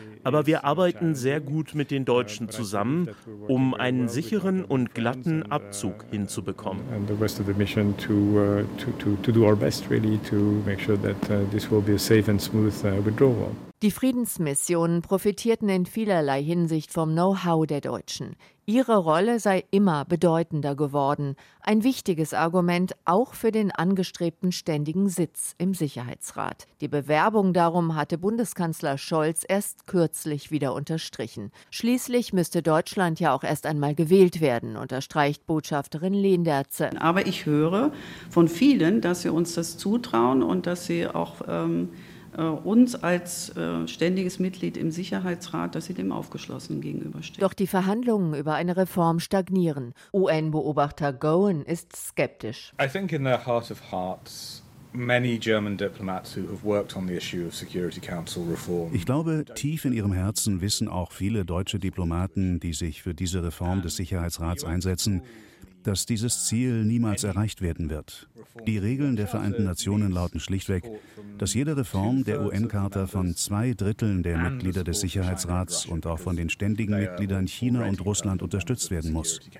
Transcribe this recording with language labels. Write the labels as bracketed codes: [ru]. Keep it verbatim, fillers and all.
[de] Aber wir arbeiten sehr gut mit den Deutschen zusammen, um einen sicheren und glatten Abzug hinzubekommen. [en] And the rest of the mission to, uh, to, to, to do our best really to make sure that uh, this will be a safe and smooth uh, withdrawal. [de] Die Friedensmissionen profitierten in vielerlei Hinsicht vom Know-how der Deutschen. Ihre Rolle sei immer bedeutender geworden. Ein wichtiges Argument auch für den angestrebten ständigen Sitz im Sicherheitsrat. Die Bewerbung darum hatte Bundeskanzler Scholz erst kürzlich wieder unterstrichen. Schließlich müsste Deutschland ja auch erst einmal gewählt werden, unterstreicht Botschafterin Lehnderze. Aber ich höre von vielen, dass sie uns das zutrauen und dass sie auch ähm uns als äh, ständiges Mitglied im Sicherheitsrat, dass sie dem aufgeschlossen gegenüberstehen. Doch die Verhandlungen über eine Reform stagnieren. U N-Beobachter Gowan ist skeptisch. [en] I think in their heart of hearts, many German diplomats who have worked on the issue of Security Council reform. [de] Ich glaube, tief in ihrem Herzen wissen auch viele deutsche Diplomaten, die sich für diese Reform des Sicherheitsrats einsetzen, dass dieses Ziel niemals erreicht werden wird. Die Regeln der Vereinten Nationen lauten schlichtweg, dass jede Reform der U N-Charta von zwei Dritteln der Mitglieder des Sicherheitsrats und auch von den ständigen Mitgliedern China und Russland unterstützt werden muss.